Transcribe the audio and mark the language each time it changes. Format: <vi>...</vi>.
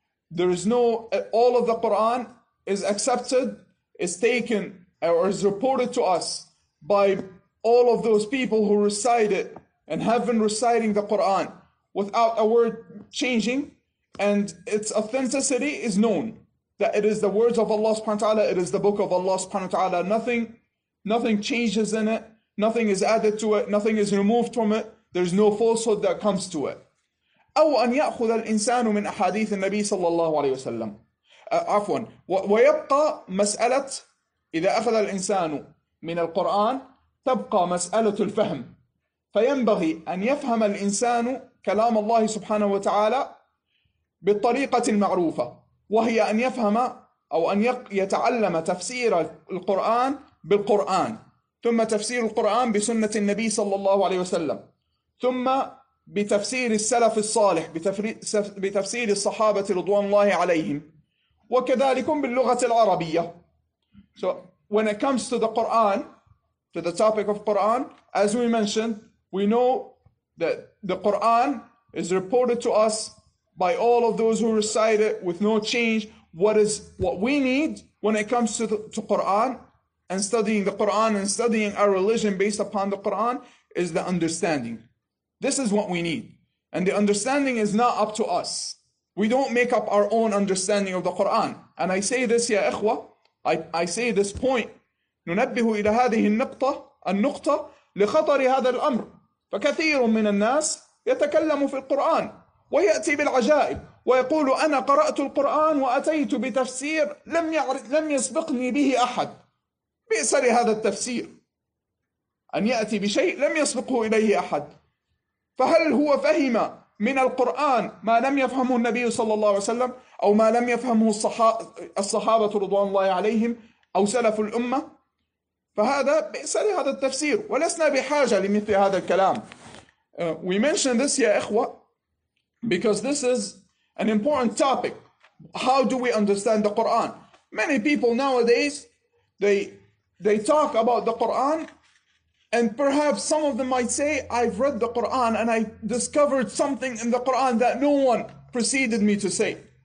<en>There is no, all of the Quran is accepted, is taken, or is reported to us by all of those people who recite it and have been reciting the Quran without a word changing, and its authenticity is known. That it is the words of Allah subhanahu wa ta'ala, it is the book of Allah subhanahu wa ta'ala. Nothing changes in it. Nothing is added to it. Nothing is removed from it. There's no falsehood that comes to it.</en> <ar>أو أن يأخذ الإنسان من أحاديث النبي صلى الله عليه وسلم. ويبقى مسألة إذا أخذ الإنسان من القرآن تبقى مسألة الفهم. فينبغي أن يفهم الإنسان كلام الله سبحانه وتعالى بالطريقة المعروفة. وهي أن يفهم أو أن يتعلم تفسير القرآن بالقرآن ثم تفسير القرآن بسنة النبي صلى الله عليه وسلم ثم بتفسير السلف الصالح بتفسير الصحابة رضوان الله عليهم وكذلك باللغة العربية.</ar> <en>So when it comes to the Quran, to the topic of Quran, as we mentioned, we know that the Quran is reported to us by all of those who recite it with no change. What we need when it comes to Quran and studying the Quran and studying our religion based upon the Quran is the understanding. This is what we need. And the understanding is not up to us. We don't make up our own understanding of the Quran. And I say this,</en> <ar>يا إخوة,</ar> <en>I say this point.</en> <ar>ننبه إلى هذه النقطة النقطة لخطر هذا الأمر. فكثير من الناس يتكلم في القرآن ويأتي بالعجائب ويقول أنا قرأت القرآن وأتيت بتفسير لم يسبقني به أحد. بئس لهذا التفسير أن يأتي بشيء لم يسبقه إليه أحد. فهل هو فهم من القرآن ما لم يفهمه النبي صلى الله عليه وسلم أو ما لم يفهمه الصحابة رضوان الله عليهم أو سلف الأمة؟ فهذا بئس لهذا التفسير، ولسنا بحاجة لمثل هذا الكلام.</ar> <en>We mention this,</en> <ar>يا إخوة,</ar> <en>because this is an important topic. How do we understand the Quran? Many people nowadays, they talk about the Quran, and perhaps some of them might say, I've read the Quran and I discovered something in the Quran that no one preceded me to say.</en>